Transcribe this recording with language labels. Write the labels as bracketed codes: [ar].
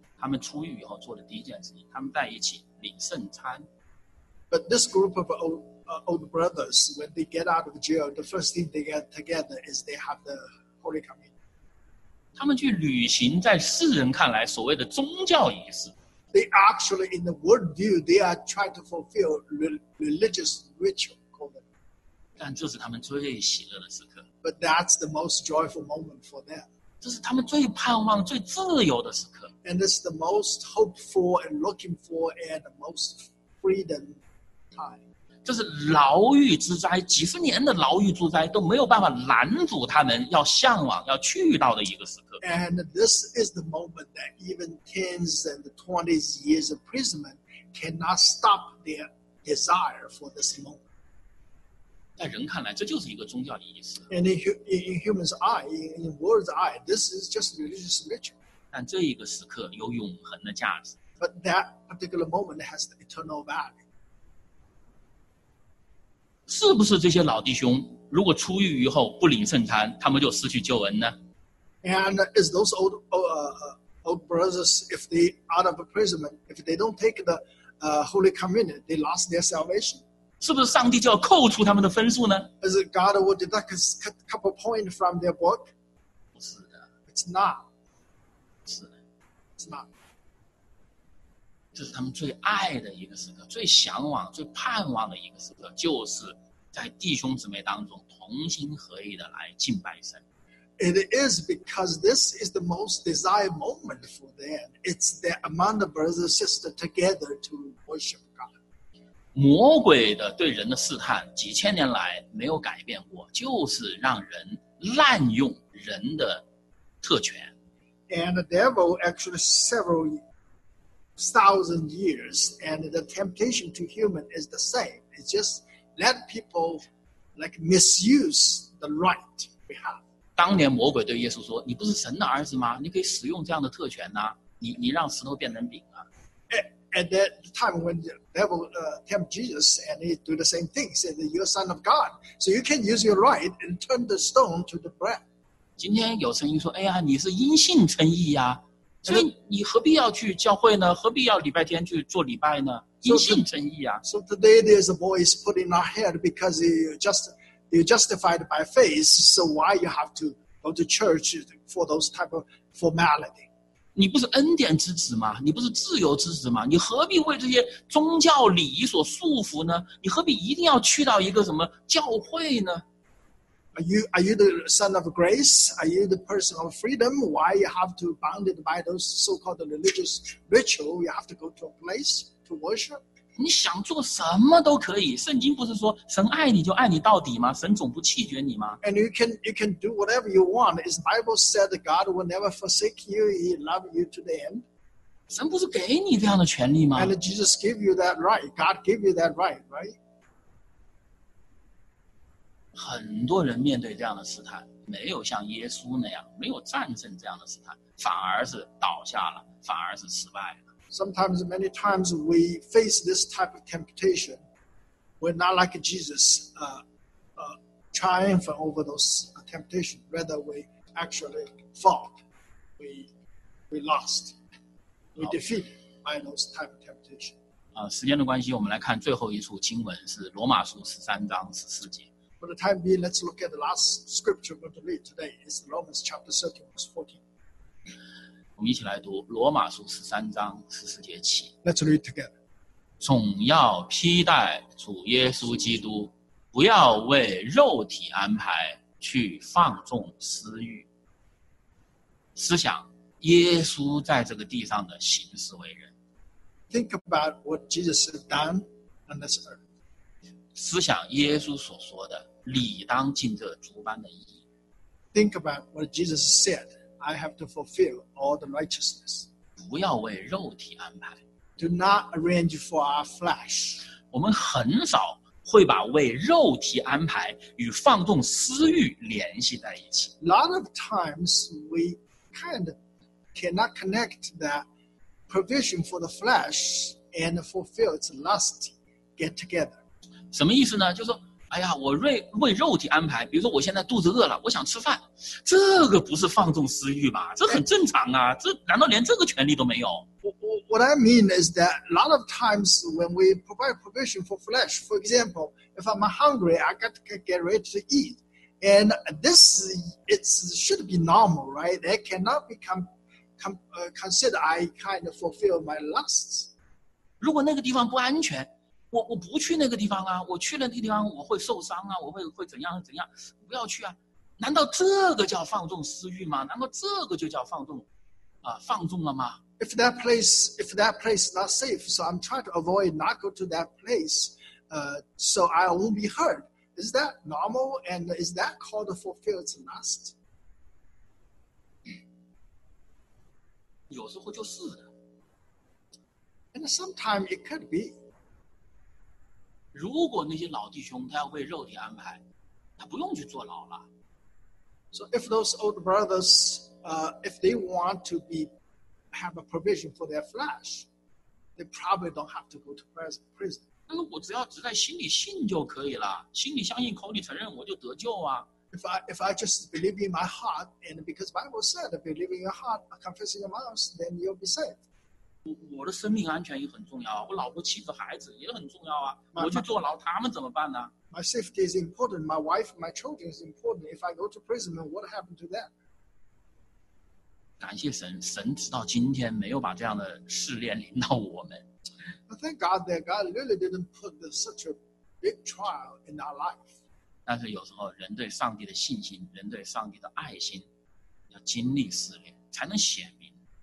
[zh] 他们出狱以后做的第一件事情，他们在一起领圣餐。 [en] But this group of old brothers, when they get out of jail, the first thing they get together is they have the Holy Communion. [zh] 他们去履行在世人看来所谓的宗教仪式。 [en] They actually, in the world view, they are trying to fulfill religious ritual called. [zh] 但这是他们最喜乐的时刻。 [en] But that's the most joyful moment for them. [zh] 这是他们最盼望、最自由的时刻。 [en] And this is the most hopeful and looking for and the most freedom time. [zh] 这是牢狱之灾，几十年的牢狱之灾都没有办法拦阻他们要向往、要去到的一个时刻。 [en] And this is the moment that even tens and twenties years of imprisonment cannot stop their desire for this moment. [zh] 在人看来，这就是一个宗教仪式。 [en] And in humans' eye, in world's eye, this is just religious ritual. [zh] 但这一个时刻有永恒的价值。 [en] But that particular moment has the eternal value. [zh] 是不是这些老弟兄如果出狱以后不领圣餐，他们就失去救恩呢 [en] ？And is those old brothers, if they out of imprisonment, if they don't take the Holy Communion, they lost their salvation? [zh] 是不是上帝就要扣除他们的分数呢？ [en] Is it God who did that cut a couple points from their book? [zh] 不是的。 [en] It's not. [zh] 是的。 [en] It's not. [zh] 这是他们最爱的一个时刻，最向往、最盼望的一个时刻，就是在弟兄姊妹当中同心合意的来敬拜神。 [en] It is because this is the most desired moment for them. It's that among the brothers and sisters together to worship God. [zh] 魔鬼的对人的试探几千年来没有改变过，就是让人滥用人的特权。 [en] And the devil actually several thousand years, and the temptation to human is the same. It's just let people like misuse the right we have. [zh] 当年魔鬼对耶稣说：“你不是神的儿子吗？你可以使用这样的特权呐、啊！你让石头变成饼啊 [en] ！”At that time when the devil tempted Jesus and he do the same thing, said that you're son of God, so you can use your right and turn the stone to the bread. [zh] 今天有声音说：“哎呀，你是因信称义呀、啊，所以你何必要去教会呢？何必要礼拜天去做礼拜呢？因信称义啊！” [en] So today there's a voice put in our head because you're justified by faith, so why you have to go to church for those type of formality? [zh] 你不是恩典之子吗？你不是自由之子吗？你何必为这些宗教礼仪所束缚呢？你何必一定要去到一个什么教会呢？ [en] Are you the son of grace? Are you the person of freedom? Why you have to bounded by those so-called religious ritual? You have to go to a place to worship? [zh] 你想做什么都可以，圣经不是说神爱你就爱你到底吗？神总不弃绝你吗？ [en] And you can do whatever you want. His Bible said God will never forsake you. He loves you to the end. [zh] 神不是给你这样的权利吗？ [en] And Jesus gave you that right. God gave you that right, right? [zh] 很多人面对这样的试探，没有像耶稣那样，没有战胜这样的试探，反而是倒下了，反而是失败了。 [en] Sometimes, many times, we face this type of temptation. We're not like Jesus, triumphing over those temptations. Rather, we actually fought. We lost. We defeated by those type of temptation. [zh] 时间的关系，我们来看最后一处经文是罗马书十三章十四节。 [en] For the time being, let's look at the last scripture we're going to read today. It's Romans chapter 13, verse 14. [zh] 我们一起来读罗马书十三章十四节起。 [en] Let's read together. [zh] 总要披戴主耶稣基督，不要为肉体安排去放纵私欲。思想耶稣在这个地上的行事为人。 [en] Think about what Jesus has done on this earth. [zh] 思想耶稣所说的理当尽这主般的意义。 [en] Think about what Jesus said. I have to fulfill all the righteousness. [zh] 不要为肉体安排。 [en] Do not arrange for our flesh. [zh] 我们很少会把为肉体安排与放纵私欲联系在一起。 [en] A lot of times we kind of cannot connect that provision for the flesh and fulfill its lust get together. [zh] 什么意思呢？就是说哎呀，我为肉体安排，比如说我现在肚子饿了，我想吃饭，这个不是放纵私欲吧？这很正常啊，这难道连这个权利都没有？ [en] What I mean is that a lot of times when we provide provision for flesh, for example, if I'm hungry, I got to get ready to eat. And this should be normal, right? That cannot become considered I kind of fulfill my lusts. [zh] 如果那个地方不安全我不去那个地方啊，我去了那个地方我会受伤啊，我会怎样怎样，不要去啊，难道这个叫放纵私欲吗？难道这个就叫放纵放纵了吗？ [en] If that place is not safe, so I'm trying to avoid not go to that place, so I won't be hurt. Is that normal and is that called to fulfill its lust? [zh] 有时候就是的。 [en] And sometimes it could be. [zh] 如果那些老弟兄他要为肉体安排，他不用去坐牢了。 [en] So if those old brothers, if they want to have a provision for their flesh, they probably don't have to go to prison. [zh] 那如果只在心里信就可以了，心里相信，口里承认，我就得救啊。 [en] If I just believe in my heart, and because Bible said, believe in your heart, confess in your mouth, then you'll be saved. [zh] 我的生命安全也很重要，我老婆妻子孩子也很重要啊，我去坐牢他们怎么办呢？ [en] My safety is important. My wife, my children is important. If I go to prison, what happened to that? [zh] 感谢神，神直到今天没有把这样的试炼临到我们。 [en] But thank God that God really didn't put such a big trial in our life. [zh] 但是有时候人对上帝的信心，人对上帝的爱心，要经历试炼才能显明。